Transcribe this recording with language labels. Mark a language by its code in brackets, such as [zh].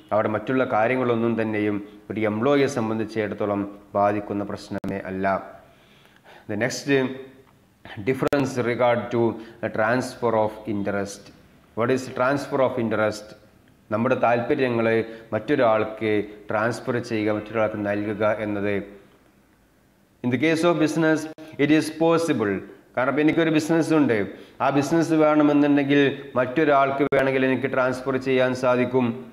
[ml] അവിടെ മറ്റുള്ള കാര്യങ്ങളൊന്നും തന്നെയും ഒരു എംപ്ലോയിയെ സംബന്ധിച്ചിടത്തോളം ബാധിക്കുന്ന പ്രശ്നമേ അല്ല. [en] The next difference regard to a transfer of interest. What is transfer of interest? [ml] നമ്മുടെ താല്പര്യങ്ങളെ മറ്റൊരാൾക്ക് ട്രാൻസ്ഫർ ചെയ്യുക, മറ്റൊരാൾക്ക് നൽകുക എന്നത്. [en] In the case of business it is possible. [ml] കാരണം ഇപ്പം എനിക്കൊരു ബിസിനസ് ഉണ്ട്, ആ ബിസിനസ് വേണമെന്നുണ്ടെങ്കിൽ മറ്റൊരാൾക്ക് വേണമെങ്കിൽ എനിക്ക് ട്രാൻസ്ഫർ ചെയ്യാൻ സാധിക്കും.